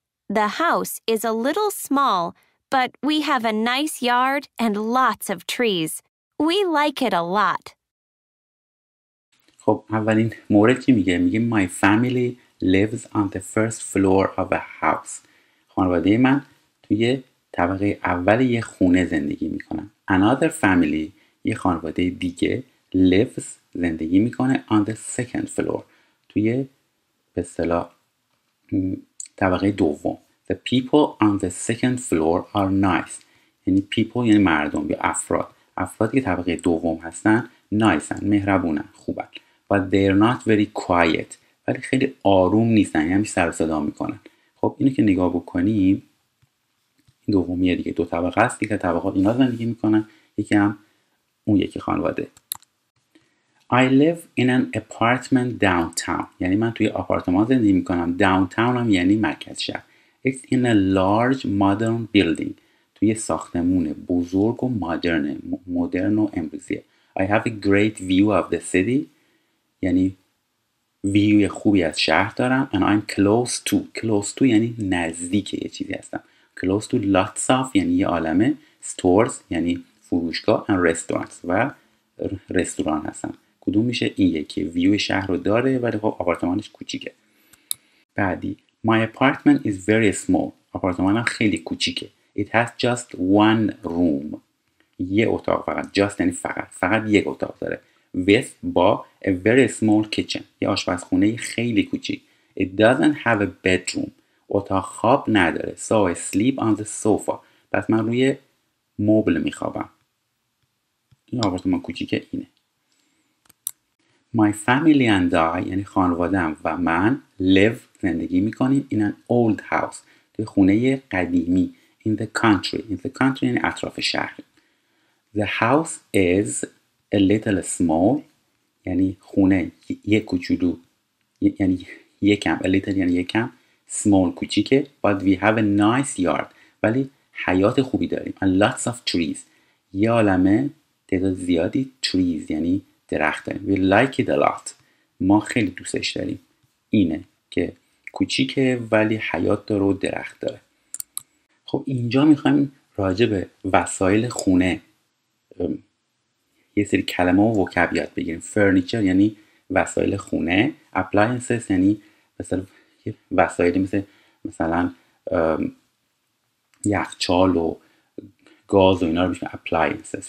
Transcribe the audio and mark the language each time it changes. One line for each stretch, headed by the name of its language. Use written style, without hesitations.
English: The house is a little small, but we have a nice yard and lots of trees. We like it a lot.
Persian: خب اولین مورد چی میگه؟ میگه
English: my family lives on the first floor of a house.
Persian: خانواده من توی طبقه اول یه خونه زندگی میکنن.
English: Another family،
Persian: یه خانواده دیگه، lives، زندگی میکنه
English: on the second floor،
Persian: توی به اصطلاح طبقه دوم.
English: The people on the second floor are nice.
Persian: یعنی people یعنی مردم یا افراد. افرادی که طبقه دوم هستن نایسن، مهربونن، خوبن.
English: But they're not very quiet.
Persian: ولی خیلی آروم نیستن، یعنی همیشه سر صدا میکنن. خب اینو که نگاه بکنیم، دومیه دیگه، دو طبقه هست، یکی طبقه اینا زندگی میکنن، یکی هم اون یکی خانواده.
English: I live in an apartment downtown.
Persian: یعنی من توی آپارتمان زندگی میکنم. Downtown هم یعنی مرکز شهر.
English: It's in a large modern building.
Persian: توی ساختمون بزرگ و مدرنه، مدرن و امروزیه.
English: I have a great view of the city.
Persian: یعنی ویوی خوبی از شهر دارم.
English: And I'm close to.
Persian: Close to یعنی نزدیک یه چیزی هستم.
English: Close to lots of
Persian: یعنی یه عالمه. Stores یعنی فروشگاه.
English: And restaurants
Persian: و رستوران هستم. کدوم میشه؟ این یکی. ویوی شهر رو داره ولی خب آپارتمانش کوچیکه. بعدی.
English: My apartment is very small.
Persian: آپارتمانم خیلی کوچیکه.
English: It has just one room.
Persian: یه اتاق فقط. Just یعنی فقط. فقط یک اتاق داره. With با
English: a very small kitchen،
Persian: یه آشپزخونه خیلی کوچیک.
English: It doesn't have a bedroom،
Persian: اتاق خواب نداره.
English: So I sleep on the sofa،
Persian: پس من روی مبل میخوابم. این آپارتمان کوچیکه اینه.
English: My family and I،
Persian: یعنی خانوادم و من،
English: live،
Persian: زندگی میکنیم،
English: in an old house،
Persian: توی خونه قدیمی.
English: In the country، in the country
Persian: یعنی اطراف شهر.
English: The house is a little small،
Persian: یعنی خونه یک کوچولو، یعنی یکم، a little یعنی یکم، small کوچیکه.
English: But we have a nice yard،
Persian: ولی حیات خوبی داریم.
English: And lots of trees،
Persian: یه عالمه تعداد زیادی trees یعنی درخت داریم.
English: We like it a lot،
Persian: ما خیلی دوستش داریم. اینه که کوچیکه ولی حیات داره و درخت داره. خب اینجا میخوایم راجع به وسایل خونه یه سری کلمه و وکب یاد بگیریم. فرنیچر یعنی وسایل خونه. اپلاینسز یعنی مثلا وسایلی مثلا یخچال و گاز و اینا رو میشه اپلاینسز.